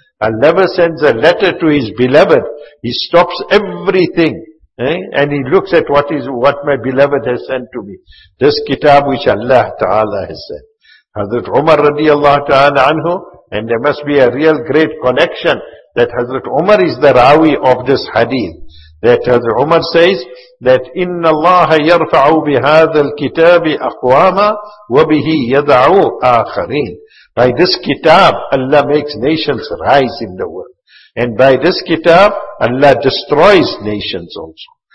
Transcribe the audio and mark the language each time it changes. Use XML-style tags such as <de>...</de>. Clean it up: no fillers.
<en>A lover sends a letter to his beloved. He stops everything. And he looks at what my beloved has sent to me. This kitab which Allah Ta'ala has sent. Hazrat Umar radiallahu ta'ala anhu. And there must be a real great connection that Hazrat Umar is the rawi of this hadith. That Hazrat Umar says that</en> <ar>إِنَّ اللَّهَ يَرْفَعُ بِهَذَا الْكِتَابِ أَقْوَامًا وَبِهِ يَدْعُوا آخَرِينَ.</ar> <en>By this kitab, Allah makes nations rise in the world. And by this kitab, Allah destroys nations also.</en>